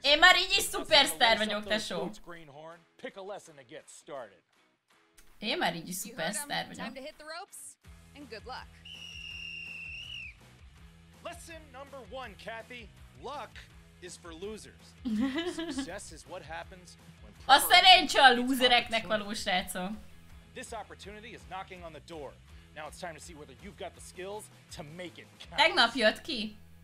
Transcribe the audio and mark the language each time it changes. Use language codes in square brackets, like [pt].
[hu] Én már így is szuperstár vagyok, tesó. [en] Pick a lesson to get started. [hu] Én már így is szuperstár vagyok. [en] Time to hit the ropes and good luck. Lesson number one, Kathy. Luck is for losers. Success is what happens when... [hu] A szerencse a lúzereknek való, srácom. [en] This opportunity is knocking on the door. Now it's time to see whether you've got the skills to make it count.